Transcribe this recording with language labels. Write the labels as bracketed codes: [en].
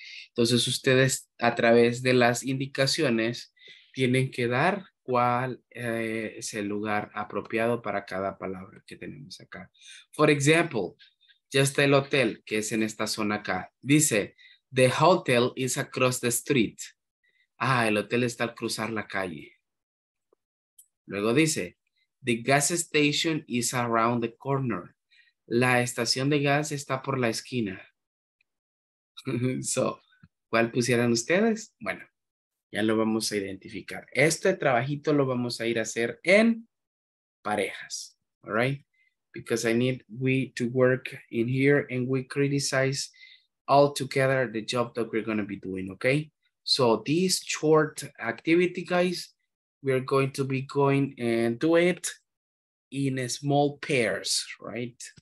[es] Entonces, ustedes, a través de las indicaciones, tienen que dar cuál es el lugar apropiado para cada palabra que tenemos acá. [en] For example, [es] ya está el hotel, que es en esta zona acá. Dice, [en] the hotel is across the street. [es] Ah, el hotel está al cruzar la calle. Luego dice, [en] the gas station is around the corner. [es] La estación de gas está por la esquina. [en] So, [es] ¿cuál pusieran ustedes? Bueno, ya lo vamos a identificar. Este trabajito lo vamos a ir a hacer en parejas. [en] All right? Because I need we to work in here and we criticize all together the job that we're going to be doing, okay? So this short activity, guys, we are going to be going and do it in small pairs, right?